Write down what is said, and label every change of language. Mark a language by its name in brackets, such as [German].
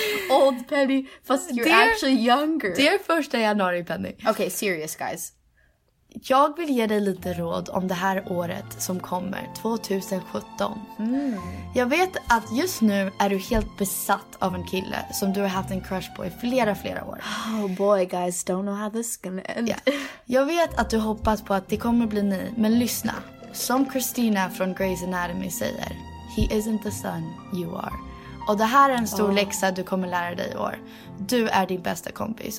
[English] Old Penny, fast you're actually younger. Dear 1 januari Penny. Okay, serious guys. [Swedish] Jag vill ge dig lite råd om det här året som kommer, 2017. Mm. Jag vet att just nu är du helt besatt av en kille som du har haft en crush på i flera år. [English] Oh boy, guys, don't know how this is gonna end. Yeah. [Swedish] Jag vet att du hoppas på att det kommer bli ni, men lyssna. Som Christina från Grey's Anatomy säger, [English] he isn't the son you are. [Swedish] Och det här är en stor läxa du kommer lära dig i år. Du är din bästa kompis.